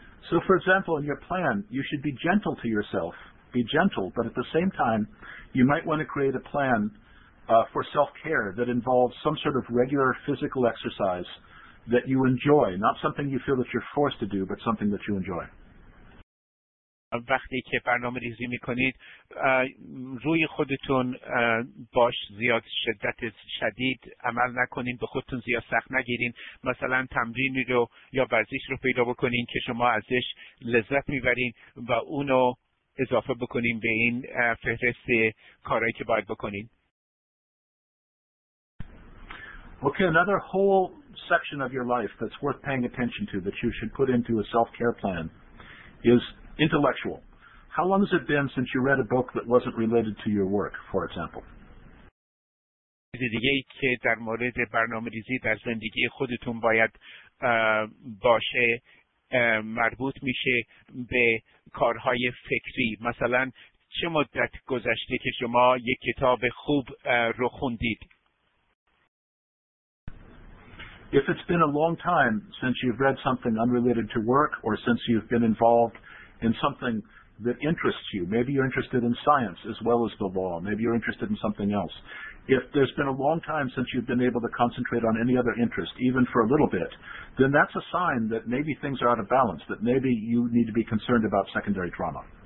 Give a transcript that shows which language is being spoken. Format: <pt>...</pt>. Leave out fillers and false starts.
<en>So for example in your plan you should be gentle to yourself. Be gentle, but at the same time, you might want to create a plan for self-care that involves some sort of regular physical exercise that you enjoy, not something you feel that you're forced to do, but something that you enjoy.</en> <fa>وقتی که برنامه ریزی میکنید روی خودتون باش زیاد شدت شدید عمل نکنین، به خودتون زیاد سخت نگیرین، مثلا تمرینی رو یا ورزش رو پیدا بکنین که شما ازش لذت میبرین و اونو اضافه بکنیم به این فهرست کارهایی که باید بکنین.</fa> <en>Okay, another whole section of your life that's worth paying attention to that you should put into a self-care plan is intellectual. How long has it been since you read a book that wasn't related to your work, for example?</en> <fa>دیگه ای که در مورد برنامه ریزی در زندگی خودتون باید باشه مربوط میشه به کارهای فکری. مثلا چه مدت گذشته که شما یک کتاب خوب رو خوندید؟</fa> <en>If it's been a long time since you've read something unrelated to work or since you've been involved in something that interests you, maybe you're interested in science as well as the law, maybe you're interested in something else. If there's been a long time since you've been able to concentrate on any other interest, even for a little bit, then that's a sign that maybe things are out of balance, that maybe you need to be concerned about secondary trauma.</en>